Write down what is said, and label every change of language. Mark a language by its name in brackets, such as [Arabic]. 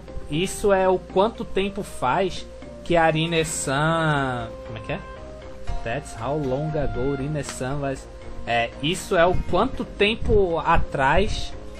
[Portuguese] Isso é o quanto tempo faz que a Rine-san... Como é que é? [English] That's how long ago Rine-san was... [Portuguese] Isso é o quanto tempo atrás...